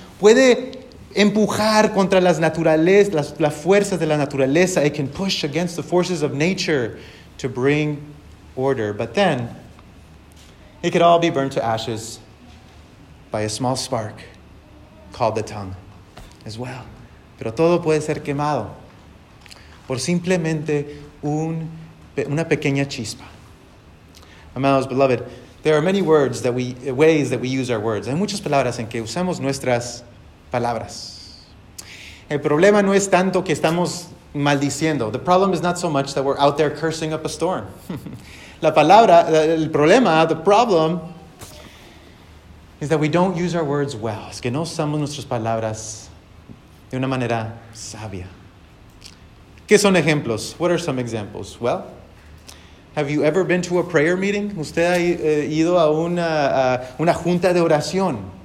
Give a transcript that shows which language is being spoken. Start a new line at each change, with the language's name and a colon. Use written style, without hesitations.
Spanish: Puede empujar contra las fuerzas de la naturaleza.
English: It can push against the forces of nature to bring order. But then, it could all be burned to ashes by a small spark called the tongue as well.
Spanish: Pero todo puede ser quemado por simplemente una pequeña chispa.
English: Amados, beloved, there are many words that ways that we use our words.
Spanish: Hay muchas palabras en que usamos nuestras palabras. El problema no es tanto que estamos maldiciendo.
English: The problem is not so much that we're out there cursing up a storm. The problem is that we don't use our words well.
Spanish: Es que no usamos nuestras palabras de una manera sabia. ¿Qué son ejemplos?
English: What are some examples? Well, have you ever been to a prayer meeting?
Spanish: ¿Usted ha ido a una junta de oración?